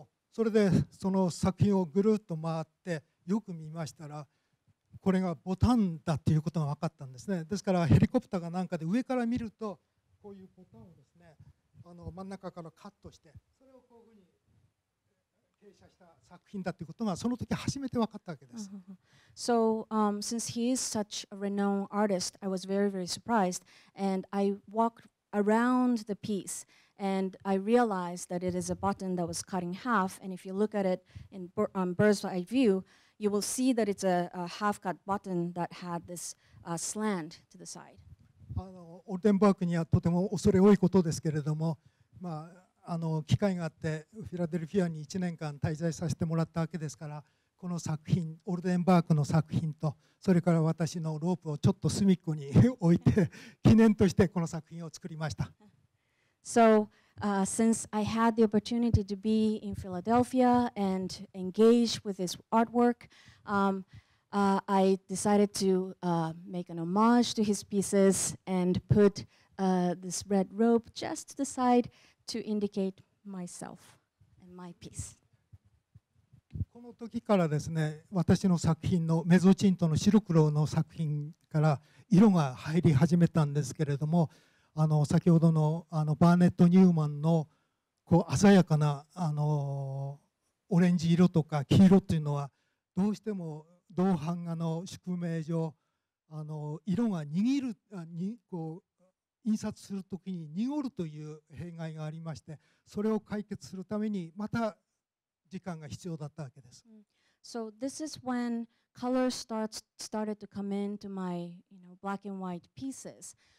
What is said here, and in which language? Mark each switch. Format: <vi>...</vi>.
<ja>それでその作品をぐるっと回ってよく見ましたら、これがボタンだっていうことが分かったんですね。ですからヘリコプターがなんかで上から見ると、こういうボタンをですね、真ん中からカットして、それをこういうふうに傾斜した作品だっていうことがその時初めて分かったわけです。</ja> <en>So, since he is such a renowned artist, I was very, very surprised, and I walked around the piece. And I realized that it is a button that was cut in half. And if you look at it in bird's eye view, you will see that it's a half-cut button that had this slant to the side.</en> <ja>オルデンバークにはとても恐れ多いことですけれども、まあ、機会があってフィラデルフィアに1年間滞在させてもらったわけですから、この作品、オルデンバークの作品と、それから私のロープをちょっと隅っこに置いて、記念としてこの作品を作りました。</ja> <en>So, since I had the opportunity to be in Philadelphia and engage with his artwork, I decided to make an homage to his pieces and put this red rope just to the side to indicate myself and my piece.</en> <ja>この時からですね、私の作品のメゾチントの白黒の作品から色が入り始めたんですけれども、先ほど のバーネット・ニューマンのこう鮮やかなオレンジ色とか黄色というのは、どうしても銅版画の宿命上、色が握るにこう印刷するときに濁るという弊害がありまして、それを解決するためにまた時間が必要だったわけです。</ja> <en>So this is when color started to come into my, black and white pieces.</en>